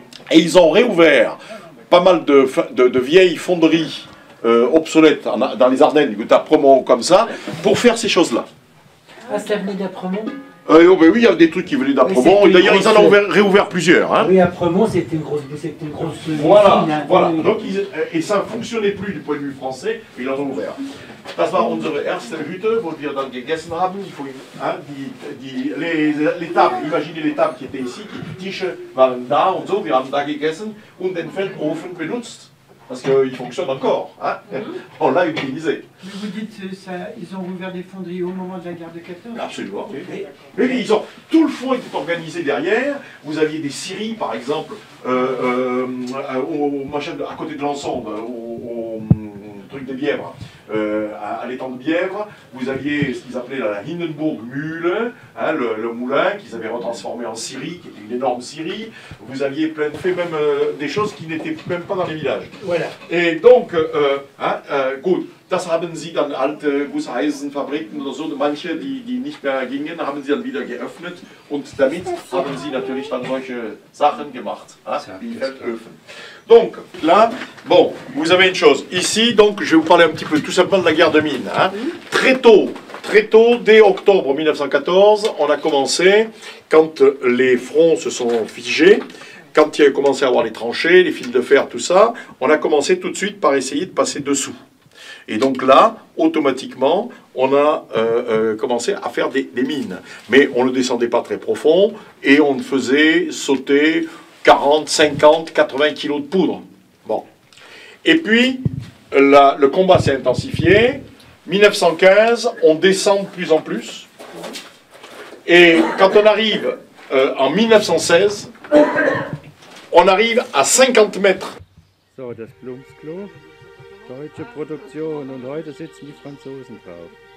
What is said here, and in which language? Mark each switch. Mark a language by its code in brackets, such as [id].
[fr] Et ils ont réouvert pas mal de vieilles fonderies obsolète dans les Ardennes, du Apremont comme ça, pour faire ces choses-là. Ah, ça venait d'Apremont. Oui, il y a des trucs qui venaient d'Apremont. Oui, d'ailleurs, ils en ont réouvert plusieurs. Hein. Oui, Apremont, c'était une grosse. Voilà, machine, voilà. Hein. Donc, et ça ne fonctionnait plus du point de vue français, mais ils en ont ouvert. [de] Das war unsere erste Hütte, wo wir dann gegessen haben. Die Tables, [fr] imaginez les tables qui étaient ici, [de] die Tische waren da und so, wir haben da gegessen und den Feldofen benutzt. [fr] Parce qu'il fonctionne encore, hein, mm-hmm. On l'a utilisé. Vous dites ils ont ouvert des fonderies au moment de la guerre de 14. Absolument. Oui. Mais ils ont tout le foin était organisé derrière. Vous aviez des scieries, par exemple, à côté de l'ensemble, au truc des Bièvres, à l'étang de Bièvre. Vous aviez ce qu'ils appelaient la Hindenburg Mühle, hein, le moulin qu'ils avaient retransformé en scierie, qui était une énorme scierie. Vous aviez plein de faits, même des choses qui n'étaient même pas dans les villages. Voilà. Et donc, gut. [de] Das haben sie dann alte Gusseisenfabriken oder so, manche, die nicht mehr gingen, haben sie dann wieder geöffnet und damit haben sie natürlich dann solche Sachen gemacht, wie Feldöfen. [fr] Donc là, bon, vous avez une chose. Ici, donc, je vais vous parler un petit peu tout simplement de la guerre de mine. Hein. Très tôt, dès octobre 1914, on a commencé, quand les fronts se sont figés, quand il y a commencé à avoir les tranchées, les fils de fer, tout ça, on a commencé tout de suite par essayer de passer dessous. Et donc là, automatiquement, on a commencé à faire des mines. Mais on ne descendait pas très profond et on faisait sauter 40, 50, 80 kilos de poudre. Bon. Et puis, le combat s'est intensifié. 1915, on descend de plus en plus. Et quand on arrive en 1916, on arrive à 50 mètres. [de] So, das Blumsklo. Deutsche Produktion und heute sitzen die Franzosen drauf.